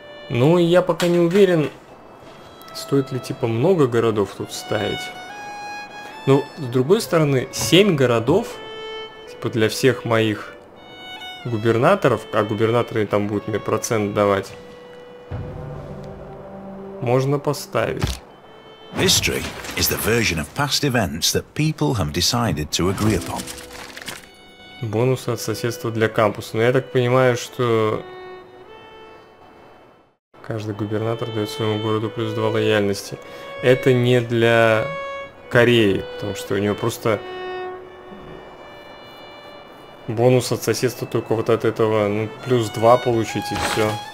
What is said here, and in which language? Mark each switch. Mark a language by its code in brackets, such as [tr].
[ru] Ну, я пока не уверен, стоит ли типа много городов тут ставить. Но, с другой стороны, 7 городов, типа для всех моих губернаторов, а губернаторы там будут мне процент давать. Можно поставить. [en] History is the version of past events that people have decided to agree upon. [ru] Бонусы от соседства для кампуса. Но я так понимаю, что каждый губернатор дает своему городу плюс 2 лояльности. Это не для Кореи, потому что у него просто бонус от соседства только вот от этого, ну, плюс 2 получить и все.